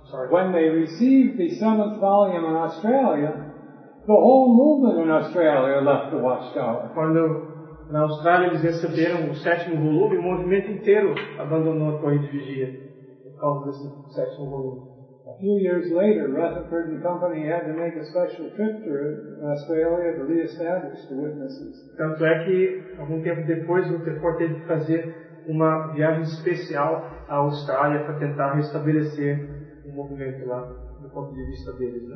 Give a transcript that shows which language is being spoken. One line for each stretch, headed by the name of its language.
English: When they received the seventh volume in Australia, the whole movement in Australia left the watchtower.
Portuguese: Quando na Austrália eles receberam o sétimo volume, o movimento inteiro abandonou a Torre de Vigia. A few years later, Rutherford and company had to make a special trip to Australia to reestablish the witnesses. Tanto é que, algum tempo depois, Rutherford teve que fazer uma viagem especial à Austrália para tentar restabelecer o movimento lá, do ponto de vista deles, né?